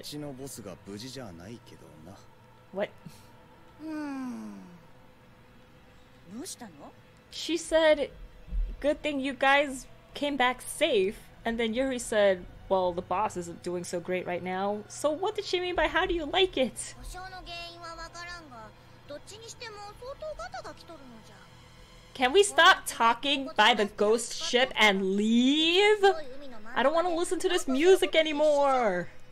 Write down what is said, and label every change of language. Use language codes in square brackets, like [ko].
[ja] うちのボスが無事じゃないけどな。 [en] What? [ja] どうしたの? [en] She said, good thing you guys came back safe. And then Yuri said, well, the boss isn't doing so great right now. So what did she mean by how do you like it? [ja] 故障の原因はわからんが、どっちにしても相当ガタが来とるのじゃ。 [en] Can we stop talking by the ghost ship and leave? I don't want to listen to this music anymore.